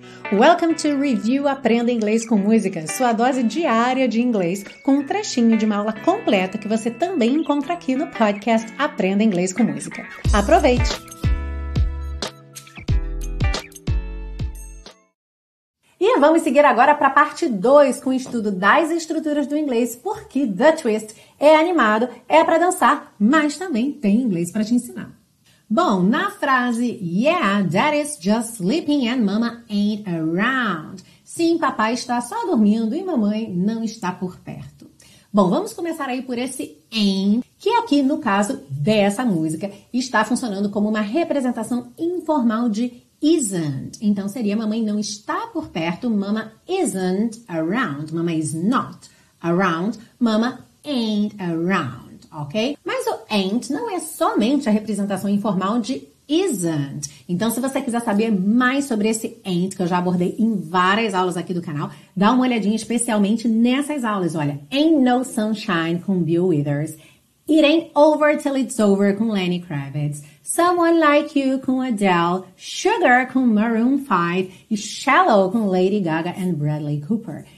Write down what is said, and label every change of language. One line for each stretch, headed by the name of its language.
English: Welcome to
Portuguese: Review Aprenda Inglês com Música, sua dose diária de inglês, com um trechinho de uma aula completa que você também encontra aqui no podcast Aprenda Inglês com Música. Aproveite! E vamos seguir agora para a parte 2 com o estudo das estruturas do inglês, porque The Twist é animado, é para dançar, mas também tem inglês para te ensinar. Bom, na frase,
English: yeah, daddy's just sleeping and mama ain't around.
Portuguese: Sim, papai está só dormindo e mamãe não está por perto. Bom, vamos começar aí por esse ain't, que aqui no caso dessa música está funcionando como uma representação informal de isn't. Então seria mamãe não está por perto,
English: mama isn't around. Mama is not around, mama ain't around.
Portuguese: Ok? Mas o ain't não é somente a representação informal de isn't. Então, se você quiser saber mais sobre esse ain't, que eu já abordei em várias aulas aqui do canal, dá uma olhadinha especialmente nessas aulas. Olha, ain't no sunshine com Bill Withers, it ain't over till it's over com Lenny Kravitz, someone like you com Adele, sugar com Maroon 5 e shallow com Lady Gaga and Bradley Cooper.